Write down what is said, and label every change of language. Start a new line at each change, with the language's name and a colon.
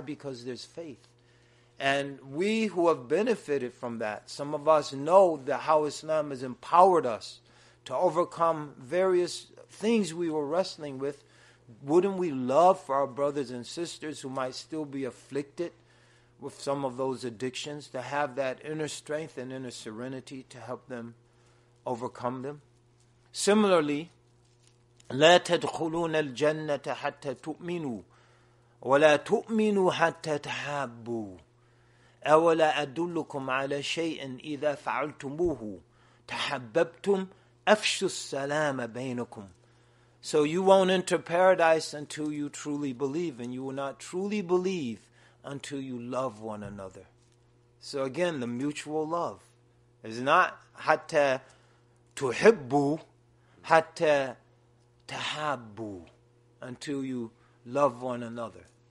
English: Because there's faith. And we who have benefited from that, some of us know that how Islam has empowered us to overcome various things we were wrestling with. Wouldn't we love for our brothers and sisters who might still be afflicted with some of those addictions to have that inner strength and inner serenity to help them overcome them?
Arabic: Similarly, لا تدخلون الجنة حتى تؤمنوا ولا تؤمنوا حتى تحابوا أولا أدلكم على شيء إذا فعلتموه تحببتم أفشوا السلام بينكم.
English: So you won't enter paradise until you truly believe, and you will not truly believe until you love one another. So again, the mutual love is not
Arabic: hatta tuhibbu, hatta tahabbu,
English: until you love one another.